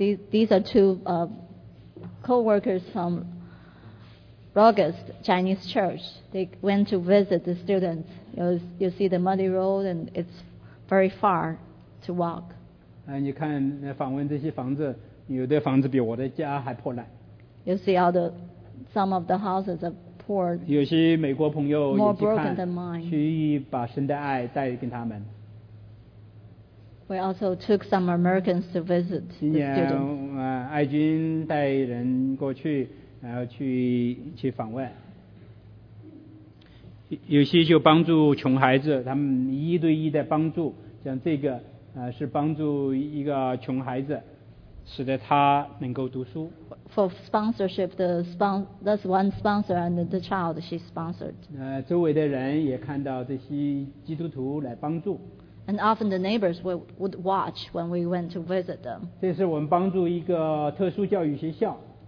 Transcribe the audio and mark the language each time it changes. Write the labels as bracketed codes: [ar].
[en] These are two co-workers from Rogers Chinese Church. They went to visit the students. You see the muddy road, and it's very far to walk. [zh] 你看访问这些房子，有的房子比我的家还破烂。 [en] You see all the some of the houses of. [zh] 有些美国朋友也去看 [en] than mine. [zh] 去把神的爱带给他们。 [en] We also took some Americans to visit the students. [zh] 今年爱军带人过去，然后去访问。有些就帮助穷孩子，他们一对一的帮助，像这个是帮助一个穷孩子，使得他能够读书。 [en] For sponsorship, that's one sponsor and the child she sponsored. [zh] 周围的人也看到这些基督徒来帮助。 [en] And often the neighbors would watch when we went to visit them. [zh] 这是我们帮助一个特殊教育学校。